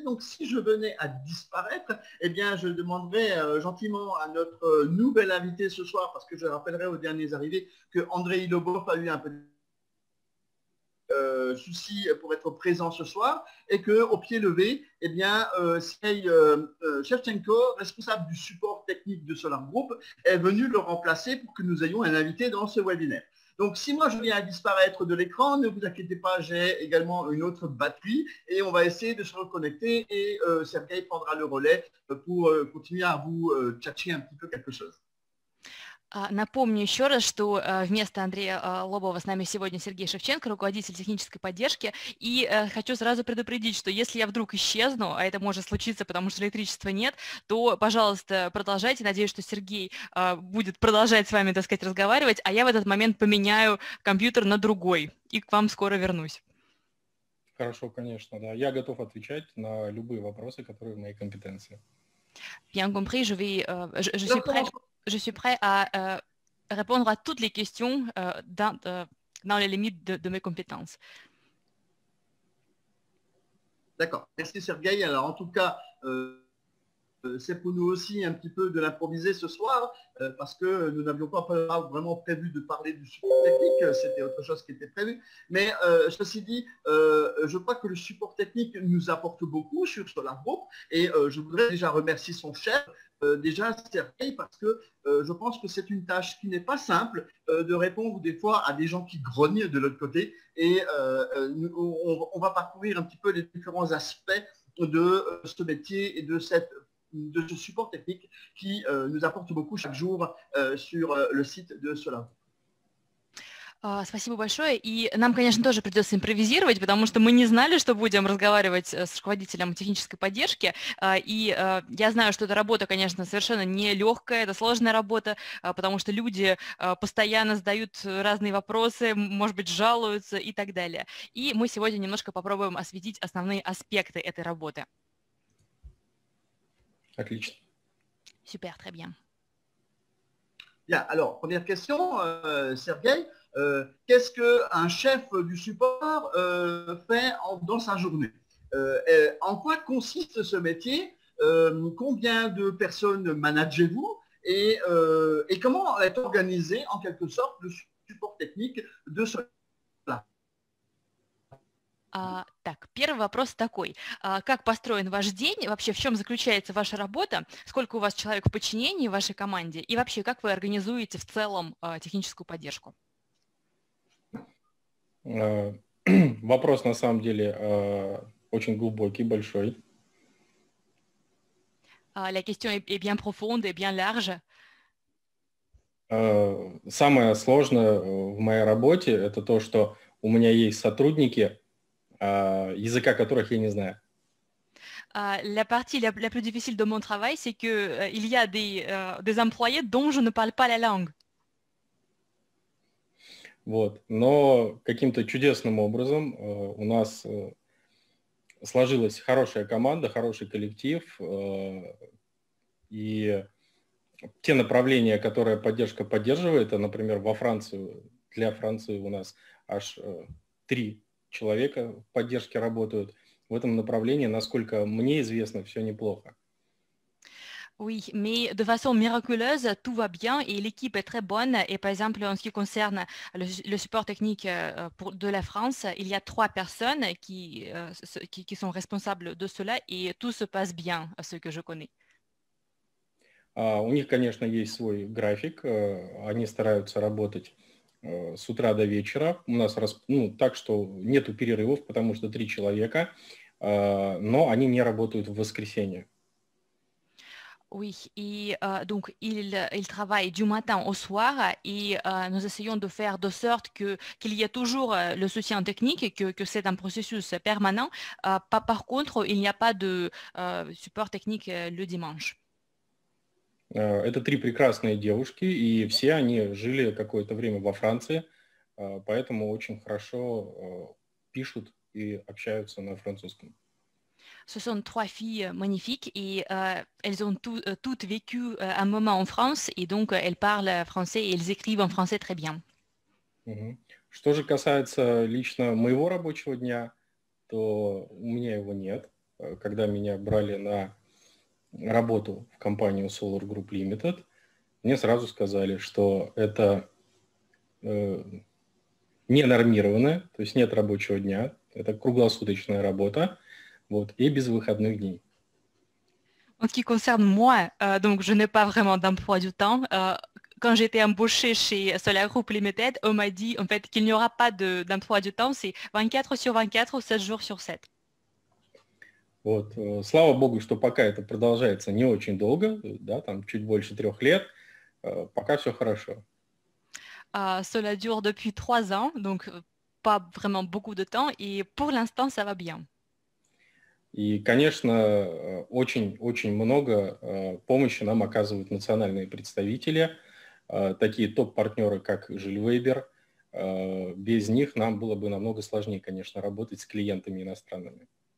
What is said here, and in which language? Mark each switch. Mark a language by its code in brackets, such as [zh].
[fr] Donc si je venais à disparaître, eh bien je demanderais gentiment à notre nouvel invité ce soir, parce que je rappellerai aux derniers arrivés que Andrei Lobov a eu un peu souci pour être présent ce soir, et que au pied levé, eh bien c'est Shevchenko, responsable du support technique de Solar Group, est venu le remplacer pour que nous ayons un invité dans ce webinaire. Donc si moi je viens à disparaître de l'écran, ne vous inquiétez pas, j'ai également une autre batterie et on va essayer de se reconnecter et Sergueï prendra le relais pour continuer à vous tchatcher un petit peu quelque chose. [ru] Напомню еще раз, что вместо Андрея Лобова с нами сегодня Сергей Шевченко, руководитель технической поддержки. И хочу сразу предупредить, что если я вдруг исчезну, а это может случиться, потому что электричества нет, то, пожалуйста, продолжайте. Надеюсь, что Сергей будет продолжать с вами, так сказать, разговаривать, а я в этот момент поменяю компьютер на другой и к вам скоро вернусь. Хорошо, конечно, да. Я готов отвечать на любые вопросы, которые в моей компетенции. [fr] Bien compris, je vais, je suis prêt à répondre à toutes les questions dans les limites de mes compétences. D'accord. Merci Sergueï. Alors en tout cas, c'est pour nous aussi un petit peu de l'improviser ce soir, parce que nous n'avions pas vraiment prévu de parler du support technique, c'était autre chose qui était prévu. Mais ceci dit, je crois que le support technique nous apporte beaucoup sur SolarGroup, et je voudrais déjà remercier son chef, déjà Sergueï, parce que je pense que c'est une tâche qui n'est pas simple de répondre des fois à des gens qui grognent de l'autre côté, et on va parcourir un petit peu les différents aspects de ce métier et de cette... de ce support technique qui nous apporte beaucoup chaque jour sur le site de SolarGroup. [ru] Спасибо большое. И нам, конечно, тоже придется импровизировать, потому что мы не знали, что будем разговаривать с руководителем технической поддержки. И я знаю, что эта работа, конечно, совершенно нелегкая, это сложная работа, потому что люди постоянно задают разные вопросы, может быть, жалуются и так далее. И мы сегодня немножко попробуем осветить основные аспекты этой работы. Отлично. [fr] Super, très bien. Bien, alors, première question, Sergueï, qu'est-ce qu'un chef du support fait dans sa journée? En quoi consiste ce métier? Combien de personnes managez-vous? Et comment est organisé, en quelque sorte, le support technique de ce... [ru] Так, первый вопрос такой. Как построен ваш день? Вообще, в чем заключается ваша работа? Сколько у вас человек в подчинении в вашей команде? И вообще, как вы организуете в целом техническую поддержку? Вопрос, на самом деле, очень глубокий, большой. [fr] La question est bien profonde et bien large. [ru] Самое сложное в моей работе – это то, что у меня есть сотрудники, языка которых я не знаю. [fr] La partie la plus difficile de mon travail, c'est que il y a des employés dont je ne parle pas la langue. [ru] Вот, но каким-то чудесным образом у нас сложилась хорошая команда, хороший коллектив, и те направления, которые поддержка поддерживает, например, во Францию, для Франции у нас аж три человека в поддержке работают в этом направлении, насколько мне известно, все неплохо. [fr] Oui, mais de façon miraculeuse, tout va bien et l'équipe est très bonne. Et par exemple, en ce qui concerne le support technique de la France, il y a trois personnes qui sont responsables de cela et tout se passe bien, à ce que je connais. [ru] У них, конечно, есть свой график, они стараются работать с утра до вечера. У нас так что нету перерывов, потому что три человека, но они не работают в воскресенье. [fr] Oui, donc ils travaillent du matin au soir et nous essayons de faire de sorte qu'il y ait toujours le soutien technique, que c'est un processus permanent. Par contre, il n'y a pas de support technique le dimanche. [ru] Это три прекрасные девушки, и все они жили какое-то время во Франции, поэтому очень хорошо пишут и общаются на французском. [fr] Ce sont trois filles magnifiques, et elles ont toutes vécu un moment en France, et donc elles parlent français, et elles écrivent en français très bien. [ru] Что же касается лично моего рабочего дня, то у меня его нет. Когда меня брали на работу в компанию Solar Group Limited, мне сразу сказали, что это ненормированное, то есть нет рабочего дня, это круглосуточная работа, вот, и без выходных дней. [fr] En ce qui concerne moi, donc je n'ai pas vraiment d'emploi du temps. Quand j'ai été embauchée chez Solar Group Limited, on m'a dit en fait qu'il n'y aura pas d'emploi du temps, c'est 24 sur 24 ou 7 jours sur 7. [ru] Вот, слава богу, что пока это продолжается не очень долго, да, там чуть больше трех лет, пока все хорошо. [fr] Cela dure depuis trois ans, donc pas vraiment beaucoup de temps, et pour l'instant ça va bien. [ru] И, конечно, очень-очень много помощи нам оказывают национальные представители, такие топ-партнеры, как Жильвейбер, Без них нам было бы намного сложнее, конечно, работать с клиентами иностранными.